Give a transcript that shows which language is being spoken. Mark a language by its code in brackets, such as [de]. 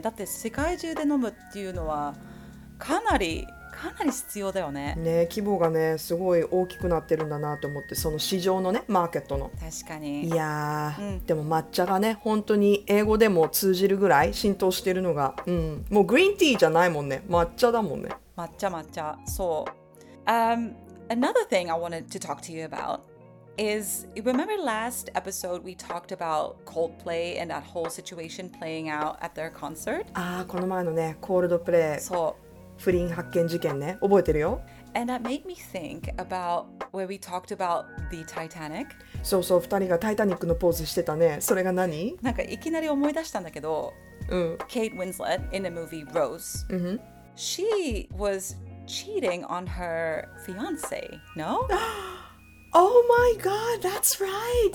[ja] だって世界中で飲むっていうのはかなり必要だよね。ね、規模がねすごい大きくなってるんだなと思って、その市場のね、マーケットの。確かに。いやー、でも抹茶がね、本当に英語でも通じるぐらい浸透してるのが、もうグリーンティーじゃないもんね、抹茶だもんね。抹茶、そう。 [en] Another thing I wanted to talk to you about is, remember last episode we talked about Coldplay and that whole situation playing out at their concert? [ja] ああ、この前のね、Coldplay。そう。不倫発見事件ね、覚えてるよ。 [en] And that made me think about where we talked about the Titanic. [ja] そうそう、二人がタイタニックのポーズしてたね。それが何？なんかいきなり思い出したんだけど、 [en] Kate Winslet in the movie Rose. She was cheating on her fiance, no? Oh my god, that's right!